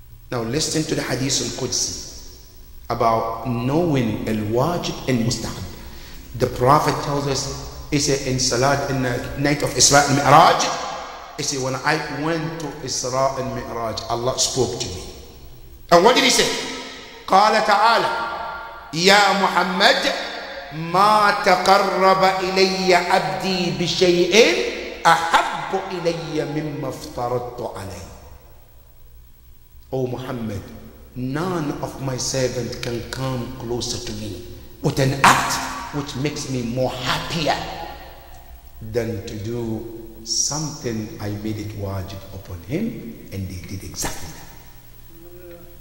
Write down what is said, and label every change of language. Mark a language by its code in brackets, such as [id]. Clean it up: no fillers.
[en] Now, listen to the hadith al-Qudsi about knowing al-wajib and mustahab. The Prophet tells us, he said, in Salat, in the night of Isra and Mi'raj, he said, when I went to Isra and Mi'raj, Allah spoke to me. And what did he say? [ar] قال تعالى يا محمد ما تقرب إلي عبدي بشيء أحب إلي مما افترضت عليه. [en] Oh Muhammad, none of my servants can come closer to me with an act which makes me more happier than to do something I made it wajib upon him, and he did exactly that.